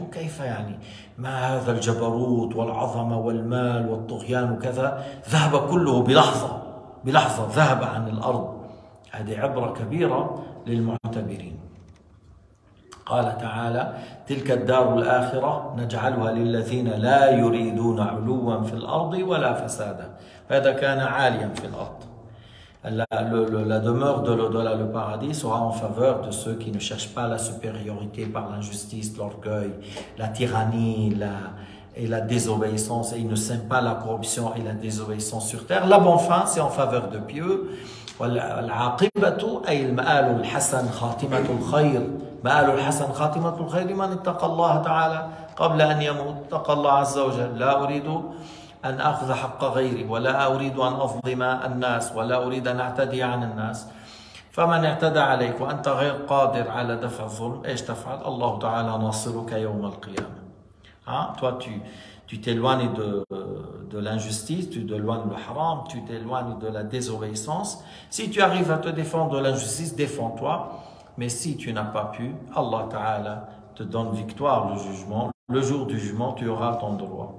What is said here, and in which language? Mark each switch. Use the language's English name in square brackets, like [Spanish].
[Arabic] شو كيف يعني ما هذا الجبروت والعظمة والمال والطغيان وكذا ذهب كله بلحظة بلحظة ذهب عن الأرض. هذه عبرة كبيرة للمعتبرين. قال تعالى تلك الدار الآخرة نجعلها للذين لا يريدون علوا في الأرض ولا فسادا. هذا كان عاليا في الأرض. [French] La demeure de l'au-delà, le paradis, sera en faveur de ceux qui ne cherchent pas la supériorité par l'injustice, l'orgueil, la tyrannie, et la désobéissance, et ils ne sèment pas la corruption et la désobéissance sur terre. La bonne fin, c'est en faveur de pieux. [Arabic] والعاقبة أي المآل الحسن خاتمة الخير. مآل الحسن خاتمة الخير لمن اتقى الله تعالى قبل أن يموت. اتقى الله عز وجل. لا أريد أن أخذ حق غيري ولا أريد أن أظلم الناس ولا أريد أن أعتدي عن الناس. فمن اعتدى عليك وأنت غير قادر على دفع الظلم إيش تفعل؟ الله تعالى ناصرك يوم القيامة. [French] Hein? Toi, tu t'éloignes de l'injustice, tu t'éloignes le haram, tu t'éloignes de la désobéissance. Si tu arrives à te défendre de l'injustice, défends-toi. Mais si tu n'as pas pu, Allah Ta'ala te donne victoire le jugement. Le jour du jugement, tu auras ton droit.